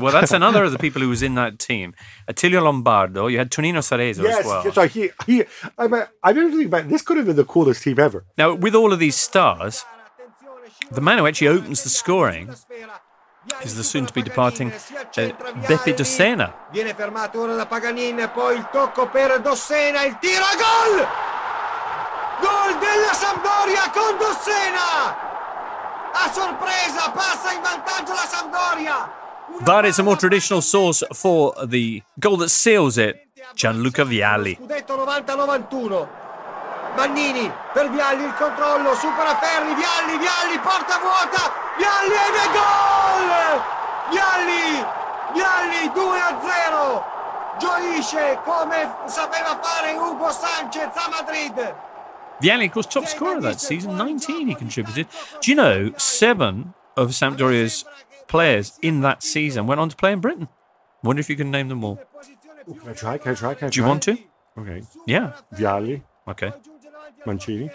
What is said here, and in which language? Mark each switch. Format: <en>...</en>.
<en>Well, that's another of the people who was in that team. Attilio Lombardo. You had Tonino Cerezo as well. Yes, I didn't think about it. This could have been the coolest team ever. Now, with all of these stars, the man who actually opens the scoring is the soon-to-be departing Beppe Dossena.</en> <it>Viene fermato ora da Paganin, poi il tocco per Dossena, il tiro a gol! Gol della Sampdoria con Dossena! A sorpresa, passa in vantaggio la Sampdoria!</it> <en>That is a more traditional source for the goal that seals it, Gianluca Vialli.</en> <it>Scudetto 90-91. Mannini per Vialli, il controllo, supera Ferri, Vialli, porta vuota! Vialli ed è gol! Vialli, 2-0! Gioisce come sapeva fare Hugo Sanchez a Madrid!</it> <en>Vialli, of course, top scorer that season, 19 he contributed. Do you know, 7 of Sampdoria's players in that season went on to play in Britain? Wonder if you can name them all. Oh, can I try? Do you want to? Okay. Yeah. Vialli. Okay. Mancini.</en>